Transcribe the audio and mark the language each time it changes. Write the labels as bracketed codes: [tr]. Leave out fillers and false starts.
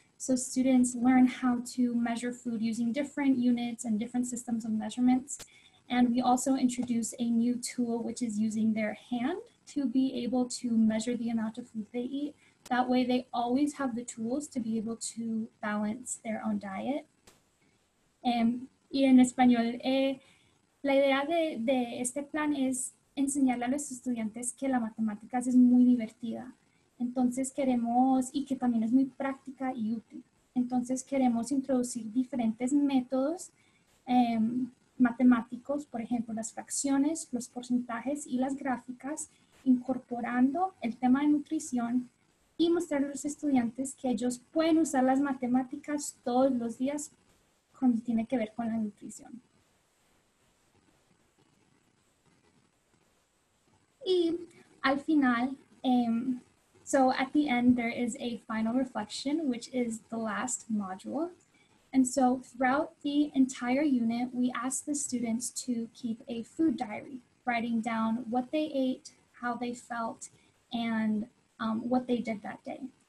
[en] So students learn how to measure food using different units and different systems of measurements. And we also introduce a new tool, which is using their hand to be able to measure the amount of food they eat. That way they always have the tools to be able to balance their own diet. [es] Y en español, la idea de este plan es enseñarle a los estudiantes que la matemática es muy divertida. Entonces queremos, y que también es muy práctica y útil. Entonces queremos introducir diferentes métodos matemáticos, por ejemplo, las fracciones, los porcentajes y las gráficas, incorporando el tema de nutrición y mostrar a los estudiantes que ellos pueden usar las matemáticas todos los días cuando tiene que ver con la nutrición. Y al final, [en] so at the end, there is a final reflection, which is the last module. And so throughout the entire unit, we ask the students to keep a food diary, writing down what they ate, how they felt, and what they did that day.